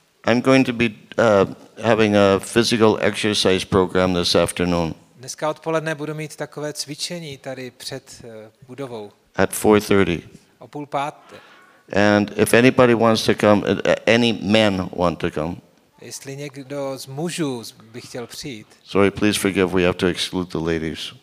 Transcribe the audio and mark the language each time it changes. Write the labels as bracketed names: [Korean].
[English] I'm going to be having a physical exercise program this afternoon. [Czech] Dneska odpoledne budu mít takové cvičení tady před budovou. [English] At 4:30. [Czech] O půl páté. [English] And if anybody wants to come, any men want to come. [Czech] Jestli někdo z mužů by chtěl přijít. [English] Sorry, please forgive, we have to exclude the ladies.